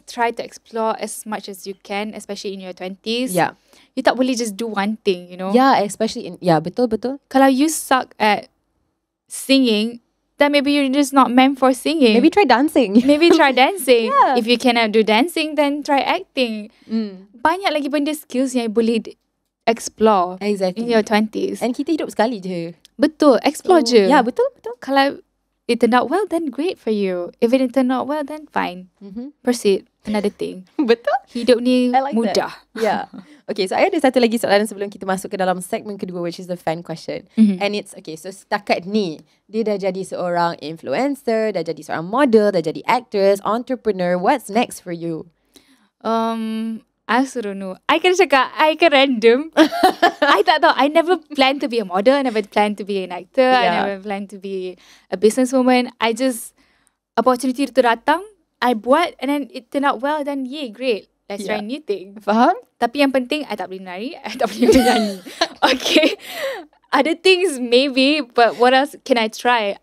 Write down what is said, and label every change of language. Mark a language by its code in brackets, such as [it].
[en] Try to explore as much as you can, especially in your 20s. Yeah. You [ms] tak boleh [en] just do one thing, you know? Yeah, especially in, [ms] betul. Kalau [en] you suck at singing, then maybe you're just not meant for singing. Maybe try dancing. Yeah. If you cannot do dancing, then try acting. [ms] Banyak lagi benda skills yang boleh explore. [en] Exactly. In your 20s. [ms] And kita hidup sekali je. Betul. Explore je. [en] Yeah, [ms] betul. Kalau [en] it turned out well, then great for you. If it turned out well, then fine. Proceed. Another thing. [ms] Betul. Hidup ni like mudah. Okay, so I ada satu lagi soalan sebelum kita masuk ke dalam segmen kedua, [en] which is the fan question. [ms] And it's, okay, so setakat ni, dia dah jadi seorang influencer, dah jadi seorang model, dah jadi actress, entrepreneur. [en] What's next for you? I also don't know. I [ms] kena cakap, [en] I kena random. I [ms] tak tahu. [en] I never planned to be a model. I never planned to be an actor. Yeah. I never planned to be a businesswoman. I just, opportunity [ms] tu datang, [en] I [ms] buat [en] and then it turned out well, then yay, great. Let's try new thing. [ms] Faham? Tapi yang penting, I tak boleh menari, I tak boleh menyanyi. [en] Okay. Other things, maybe, but what else can I try?